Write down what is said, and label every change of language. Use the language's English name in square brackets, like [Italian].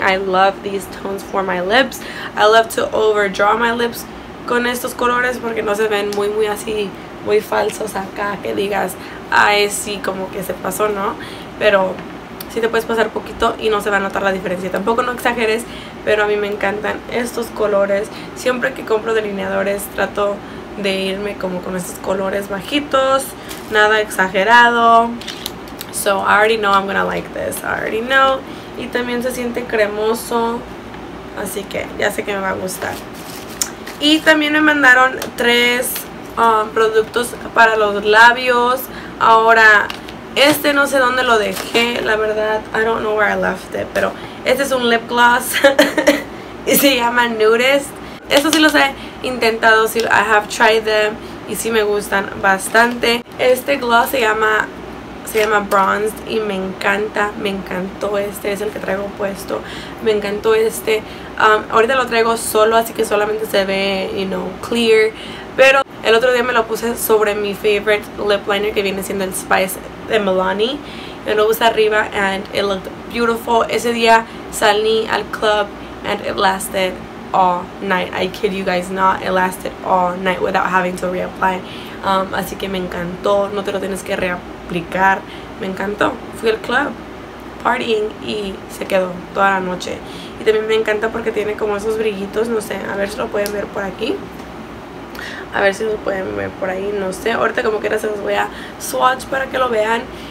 [English] I love these tones for my lips. [Spanish] I love to overdraw my lips con estos colores porque no se ven muy muy así, muy falsos acá, que digas, ay, sí, como que se pasó, ¿no? Pero sí te puedes pasar poquito y no se va a notar la diferencia. Tampoco no exageres, pero a mí me encantan estos colores. Siempre que compro delineadores, trato de irme como con estos colores bajitos, nada exagerado. [English] So, I already know I'm gonna like this. I already know. [Spanish] Y también se siente cremoso, así que ya sé que me va a gustar. Y también me mandaron tres productos para los labios. Ahora, este no sé dónde lo dejé, la verdad. [English] I don't know where I left it, [Spanish] pero este es un lip gloss y se llama Nudist. Estos sí los he intentado, sí, [English] I have tried them [Spanish] y sí me gustan bastante. Este gloss se llama Bronzed y me encanta, me encantó este, es el que traigo puesto. Me encantó este, ahorita lo traigo solo, así que solamente se ve, [English] you know, clear. [Spanish] Pero el otro día me lo puse sobre mi favorite lip liner, que viene siendo el Spice de Milani. Me lo puse arriba [English] and it looked beautiful. [Spanish] Ese día salí al club [English] and it lasted all night. I kid you guys not, it lasted all night without having to reapply. [Spanish] Así que me encantó, no te lo tienes que reaplicar. Me encantó, fui al club partying y se quedó toda la noche. Y también me encanta porque tiene como esos brillitos, no sé, a ver si lo pueden ver por aquí. A ver si los pueden ver por ahí, no sé. Ahorita como quiera se los voy a swatch para que lo vean.